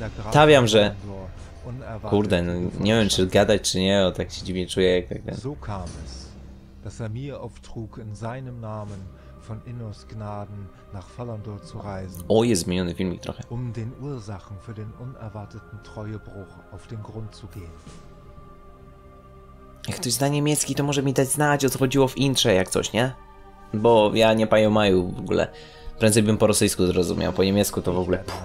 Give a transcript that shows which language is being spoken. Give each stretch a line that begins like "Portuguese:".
Polish: Stawiam, że... Kurde, no, nie wiem, czy gadać, czy nie, o tak się dziwnie czuję, jak tak...
German: So kam es, dass mir auftrug in seinem Namen von Innos Gnaden nach Valandor zu reisen.
Polish: O, jest zmieniony filmik trochę.
German: Um den Ursachen für den unerwarteten Treuebruch auf den Grund zu gehen.
Polish: Jak ktoś zna niemiecki, to może mi dać znać, o co chodziło w intrze, jak coś, nie? Bo ja nie paję maju w ogóle. Prędzej bym po rosyjsku zrozumiał, po niemiecku to w ogóle...